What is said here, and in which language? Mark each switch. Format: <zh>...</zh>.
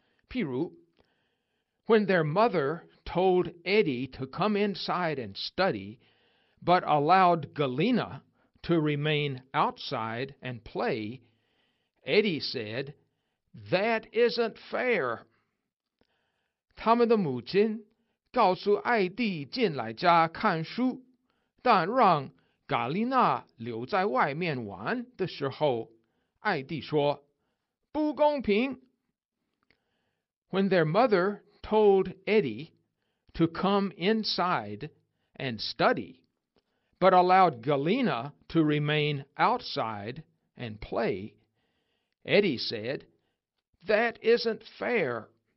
<zh>譬如</zh> <en>When their mother told Eddie to come inside and study but allowed Galina to remain outside and play， Eddie said that isn't fair。</en> <zh>他们的母亲告诉艾迪进来家看书，但让嘎丽娜留在外面玩的时候，艾蒂说：不公平。</zh> <en>When their mother told Eddie to come inside and study but allowed Galina to remain outside and play, Eddie said, that isn't fair.</en>